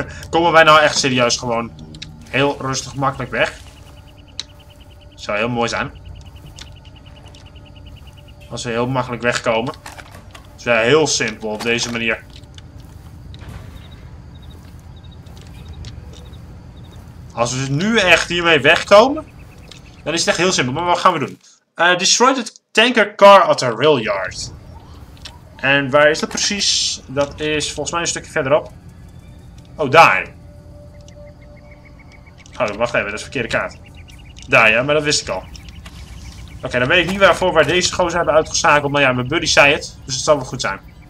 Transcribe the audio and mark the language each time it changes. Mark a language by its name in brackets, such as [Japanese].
[Dutch] Komen wij nou echt serieus gewoon heel rustig makkelijk weg? Zou heel mooi zijn. Als we heel makkelijk wegkomen. Het is wel heel simpel op deze manier. Als we nu echt hiermee wegkomen. Dan is het echt heel simpel. Maar wat gaan we doen? [English] Destroy the tanker car at the rail yard. [Dutch] En waar is dat precies? Dat is volgens mij een stukje verderop. Oh, daar. Oh, wacht even. Dat is de verkeerde kaart. Daar, ja. Maar dat wist ik al. Oké, dan weet ik niet waarvoor wij deze gozer hebben uitgeschakeld. Maar ja, mijn buddy zei het. Dus het zal wel goed zijn.